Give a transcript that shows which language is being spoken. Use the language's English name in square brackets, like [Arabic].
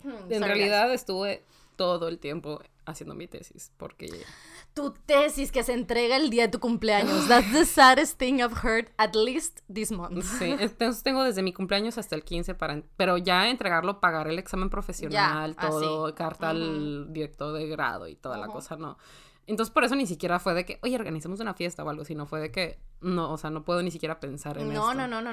[Spanish] En realidad estuve todo el tiempo haciendo mi tesis, porque... Tu tesis que se entrega el día de tu cumpleaños. [English] That's the saddest thing I've heard at least this month. [Spanish] Sí, entonces tengo desde mi cumpleaños hasta el 15 para... Pero ya entregarlo, pagar el examen profesional, yeah, todo, así. Carta al director de grado y toda la cosa, ¿no? Entonces por eso ni siquiera fue de que, oye, organizemos una fiesta o algo, sino fue de que, no, o sea, no puedo ni siquiera pensar en no, esto.